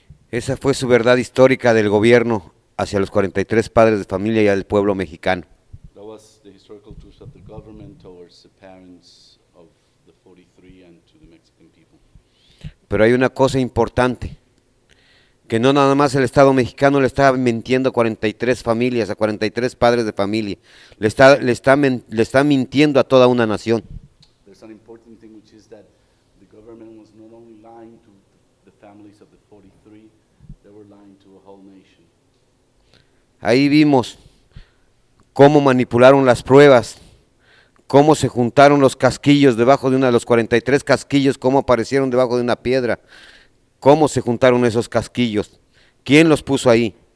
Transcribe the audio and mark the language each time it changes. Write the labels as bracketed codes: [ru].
[es] Esa fue su verdad histórica del gobierno hacia los 43 padres de familia y al pueblo mexicano. [en] That was the historical truth of the government towards the parents of the 43 and to the Mexican people. [es] Pero hay una cosa importante, que no nada más el Estado mexicano le está mintiendo a 43 familias, a 43 padres de familia, le está mintiendo a toda una nación. [en] There's an important thing, which is that the government was not only lying to the families of the 43, they were lying to a whole nation. [es] Ahí vimos cómo manipularon las pruebas, cómo se juntaron los casquillos debajo de una de los 43 casquillos, cómo aparecieron debajo de una piedra, cómo se juntaron esos casquillos, quién los puso ahí.